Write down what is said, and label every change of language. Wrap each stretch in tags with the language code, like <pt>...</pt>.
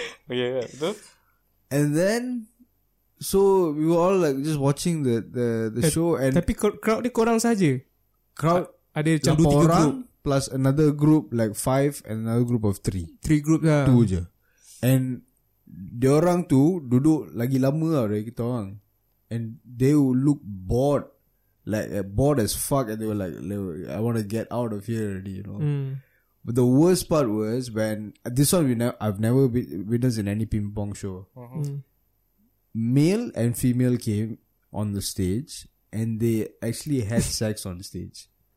<ms>Okay, betul.</ms> <en>And then so we were all like just watching the show and</en> <ms>tapi crowd dia korang saja.</ms> <en>Crowd</en> <ms>ada macam 2-3 group</ms> <en>plus another group like 5 and another group of 3.</en> <ms>3 group lah. 2 je. And dia orang tu duduk lagi lama lah dari kita orang.</ms> <en>And they would look bored, like bored as fuck, and they were like, I want to get out of here already, you know. But the worst part was when this one I've never witnessed in any ping pong show. Male and female came on the stage and they actually had sex on the stage.</en>